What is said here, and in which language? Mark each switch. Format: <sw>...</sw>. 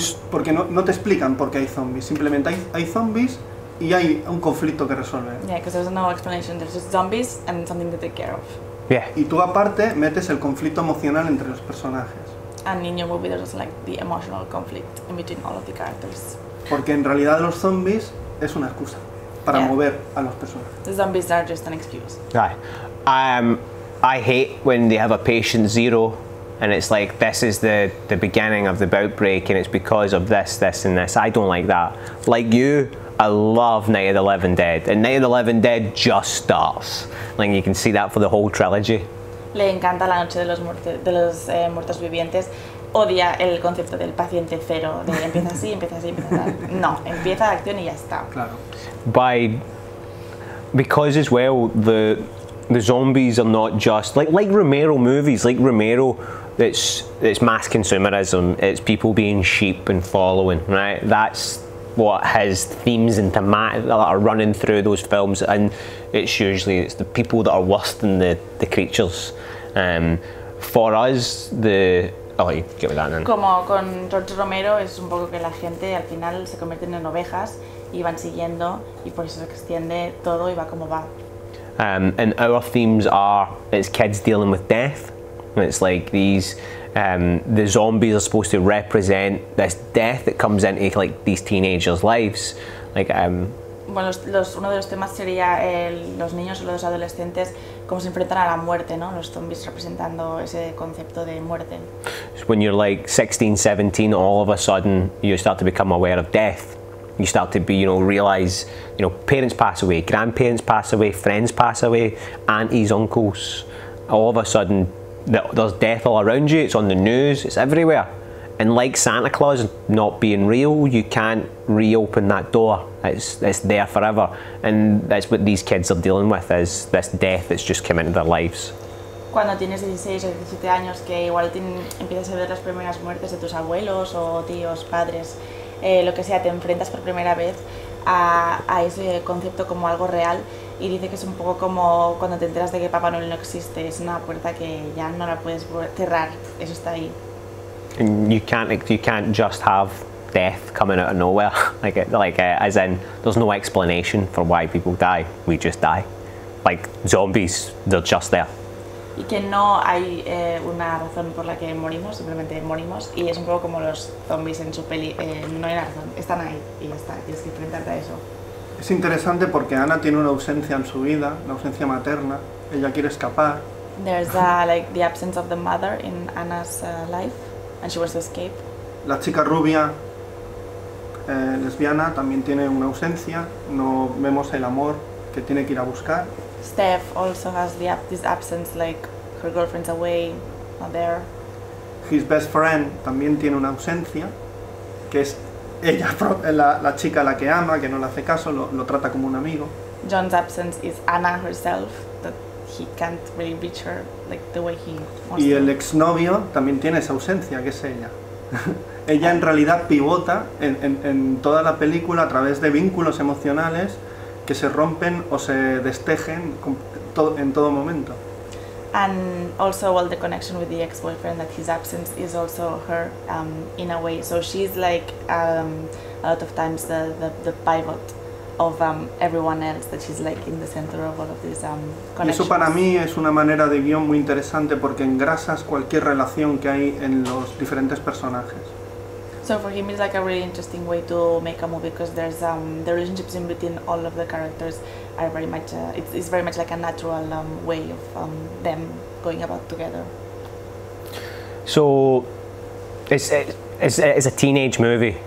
<es>Porque no te explican por qué hay zombies. Simplemente hay zombies y hay un conflicto que resolver.</es> <en>Yeah, because there's no explanation. There's just zombies and something to take care of. Yeah.</en> <es>Y tú aparte metes el conflicto emocional entre los personajes.</es> <en>And in your movie there's like the emotional conflict in between all of the characters.</en> <es>Porque en realidad los zombies es una excusa para mover a los personajes.</es> <en>The zombies are just an excuse. I hate when they have a patient zero and it's like this is the beginning of the outbreak and it's because of this and this. I don't like that. Like you, I love Night of the Living Dead, and Night of the Living Dead just starts. Like you can see that for the whole trilogy.</en> <es>Le encanta La Noche de los Muertos Vivientes. Odia el concepto del paciente cero. De empieza así, empieza así, empieza tal. No, empieza la acción y ya está. Claro.</es> <en>Because as well the zombies are not just like Romero movies, like Romero. It's mass consumerism. It's people being sheep and following. Right. That's what his themes and thematic are running through those films, and it's usually the people that are worse than the creatures. For us, the give me that then.</en> <es>Como con George Romero, es un poco que la gente al final se convierte en ovejas y van siguiendo, y por eso se extiende todo y va como va.</es> <en>And our themes are it's kids dealing with death. It's like these. The zombies are supposed to represent this death that comes into like these teenagers' lives.</en> <es>Bueno, uno de los temas sería los niños o los adolescentes cómo se enfrentan a la muerte, ¿no? Los zombies representando ese concepto de muerte.</es> <en>So when you're like 16, 17, all of a sudden you start to become aware of death. You start to be, you know, realize, you know, parents pass away, grandparents pass away, friends pass away, aunties, uncles, all of a sudden. There's death all around you, it's on the news, it's everywhere. And like Santa Claus not being real, you can't reopen that door. It's there forever. And that's what these kids are dealing with, is this death that's just come into their lives.</en> <es>Cuando tienes 16 o 17 años, que igual empiezas a ver las primeras muertes de tus abuelos o tíos, padres, lo que sea, te enfrentas por primera vez a ese concepto como algo real. Y dice que es un poco como cuando te enteras de que Papá Noel no existe, es una puerta que ya no la puedes cerrar, eso está ahí.</es> <en>You can't just have death coming out of nowhere, like as in there's no explanation for why people die, we just die, like zombies, they're just there.</en> <es>Y que no hay una razón por la que morimos, simplemente morimos, y es un poco como los zombies en su peli, no hay razón, están ahí y ya está, tienes que enfrentarte a eso. Es interesante porque Ana tiene una ausencia en su vida, la ausencia materna. Ella quiere escapar.</es> <en>There's like the absence of the mother in Anna's life, and she wants to escape.</en> <es>La chica rubia, lesbiana, también tiene una ausencia. No vemos el amor que tiene que ir a buscar.</es> <en>Steph also has this absence, like her girlfriend's away, not there. His best friend</en> <es>también tiene una ausencia, que es ella, la chica a la que ama, que no le hace caso, lo trata como un amigo.</es> <en>John's absence is Anna herself, that he can't really reach her like the way he wants.</en> <es>Y el exnovio también tiene esa ausencia, que es ella. Ella en realidad pivota en toda la película a través de vínculos emocionales que se rompen o se destejen en todo momento.</es> <en>And also, well, the connection with the ex-boyfriend, that his absence is also her, in a way. So she's like a lot of times the pivot of everyone else, that she's like in the center of all of this connection.</en> <es>Eso para mí es una manera de guión muy interesante porque engrasas cualquier relación que hay en los diferentes personajes.</es> <en>So for him it's like a really interesting way to make a movie because there's the relationships in between all of the characters are very much it's very much like a natural way of them going about together. So it's a teenage movie.</en>